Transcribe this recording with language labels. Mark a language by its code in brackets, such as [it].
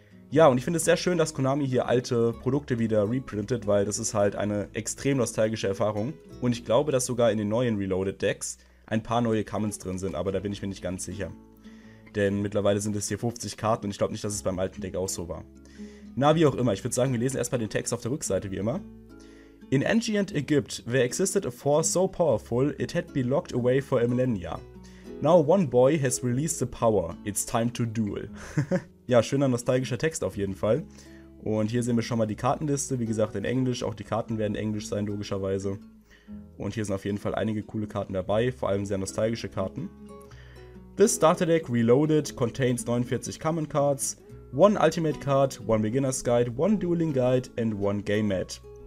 [de] Ja, und ich finde es sehr schön, dass Konami hier alte Produkte wieder reprintet, weil das ist halt eine extrem nostalgische Erfahrung. Und ich glaube, dass sogar in den neuen Reloaded-Decks ein paar neue Commons drin sind, aber da bin ich mir nicht ganz sicher. Denn mittlerweile sind es hier 50 Karten und ich glaube nicht, dass es beim alten Deck auch so war. Na, wie auch immer, ich würde sagen, wir lesen erstmal den Text auf der Rückseite, wie immer. [en] In ancient Egypt, there existed a force so powerful, it had been locked away for a millennia. Now one boy has released the power, it's time to duel. [de] Ja, schöner nostalgischer Text auf jeden Fall. Und hier sehen wir schon mal die Kartenliste, wie gesagt in Englisch, auch die Karten werden Englisch sein logischerweise. Und hier sind auf jeden Fall einige coole Karten dabei, vor allem sehr nostalgische Karten. [en] This starter deck reloaded contains 49 common cards, one ultimate card, one beginner's guide, one dueling guide and one game mat.